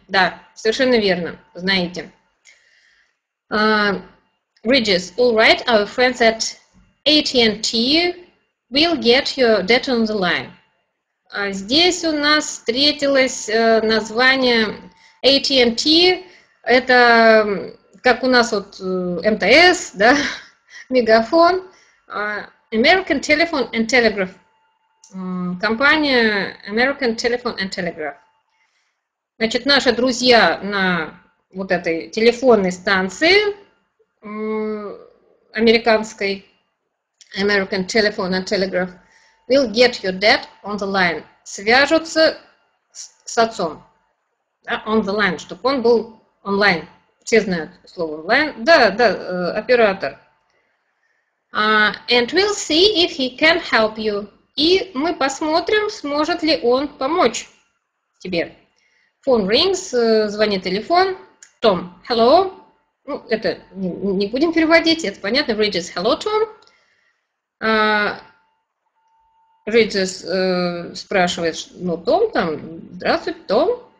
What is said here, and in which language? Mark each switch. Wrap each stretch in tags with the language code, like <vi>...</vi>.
<ru>Да, совершенно верно, знаете.</ru> <en>Bridges, all right, our friends at AT&T will get your debt on the line.</en> <ru>Здесь у нас встретилось название AT&T. Это как у нас вот МТС, да, Мегафон. American Telephone and Telegraph. Компания American Telephone and Telegraph. Значит, наши друзья на вот этой телефонной станции американской, American Telephone and Telegraph,</ru> <en>will get your debt on the line.</en> <ru>Свяжутся с отцом. Да,</ru> <en>on the line,</en> <ru>чтобы он был онлайн. Все знают слово онлайн. Да, да, оператор.</ru> <en>And we'll see if he can help you.</en> <ru>И мы посмотрим, сможет ли он помочь тебе.</ru> <en>Phone rings,</en> <ru>звонит телефон.</ru> <en>Tom, hello.</en> <ru>Ну, это не будем переводить, это понятно.</ru> <en>Bridges, hello, Tom.</en> <ru>Bridges спрашивает, ну, Tom там, здравствуйте, Tom.</ru>